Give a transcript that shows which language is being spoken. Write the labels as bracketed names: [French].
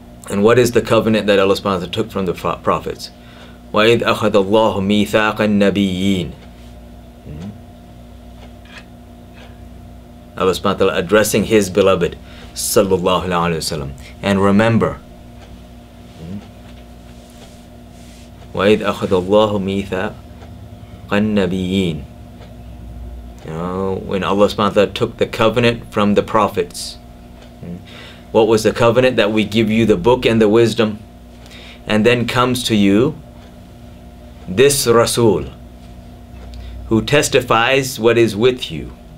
[English] And what is the covenant that Allah subhanahu wa ta'ala took from the prophets? [Arabic] وَإِذْ أَخَذَ اللَّهُ مِيثَاقَ النَّبِيِّينَ. [English] Allah subhanahu wa ta'ala addressing his beloved sallallahu alayhi wa sallam. And remember, [Arabic] وَإِذْ أَخَذَ اللَّهُ مِيثَاقَ النَّبِيِّينَ. [English] When Allah subhanahu wa ta'ala took the covenant from the prophets, what was the covenant? That we give you the book and the wisdom, and then comes to you this Rasul who testifies what is with you.